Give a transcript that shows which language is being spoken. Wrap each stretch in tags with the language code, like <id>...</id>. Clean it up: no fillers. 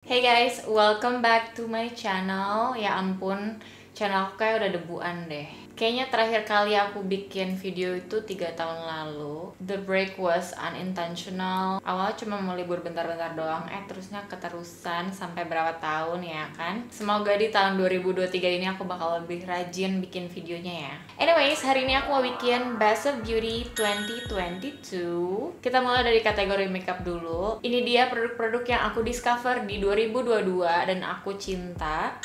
<en>Hey guys, welcome back to my channel.</en> <id>Ya ampun, channel aku kayak udah debuan deh. Kayaknya terakhir kali aku bikin video itu 3 tahun lalu.</id> <en>The break was unintentional.</en> <id>Awalnya cuma mau libur bentar-bentar doang. Terusnya keterusan sampai berapa tahun ya kan. Semoga di tahun 2023 ini aku bakal lebih rajin bikin videonya ya. Anyways, hari ini aku mau bikin Best of Beauty 2022. Kita mulai dari kategori makeup dulu. Ini dia produk-produk yang aku discover di 2022 dan aku cinta.</id>